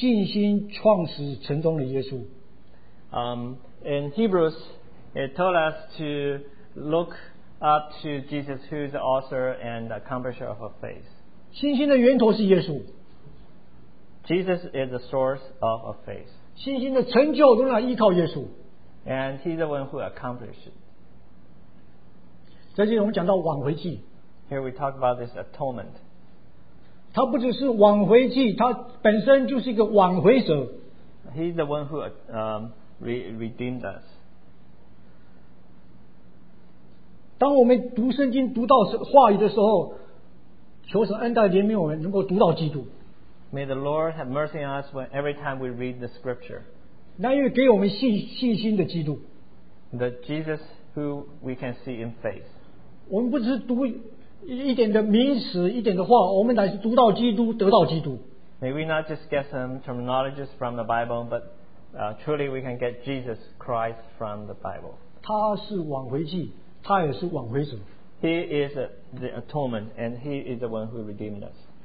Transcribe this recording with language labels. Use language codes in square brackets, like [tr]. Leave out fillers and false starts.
[zh] 保罗在希伯来告诉我们，仰望信心创始成终的耶稣。 [en] In Hebrews, it told us to look up to Jesus, who is the author and the accomplisher of our faith. [zh] 信心的源头是耶稣。 [en] Jesus is the source of our faith. [zh] 信心的成就仍然依靠耶稣。 [en] And he's the one who accomplished it. [zh] 这就是我们讲到挽回祭。 [en] Here we talk about this atonement. [zh] 他不只是挽回祭, 他本身就是一个挽回者。 [en] He's the one who redeemed us. [zh] 当我们读圣经读到话语的时候, 求神恩待怜悯我们能够读到基督。 [en] May the Lord have mercy on us when every time we read the scripture. [zh] 那又给我们信心的基督。 [en] The Jesus who we can see in faith. [zh] 我们不只是读 一点的名词，一点的话，我们乃是读到基督，得到基督。 [en] May we not just get some terminologies from the Bible, but truly we can get Jesus Christ from the Bible. [zh] 他是挽回祭，他也是挽回主。 [en] He is the atonement, and he is the one who redeemed us.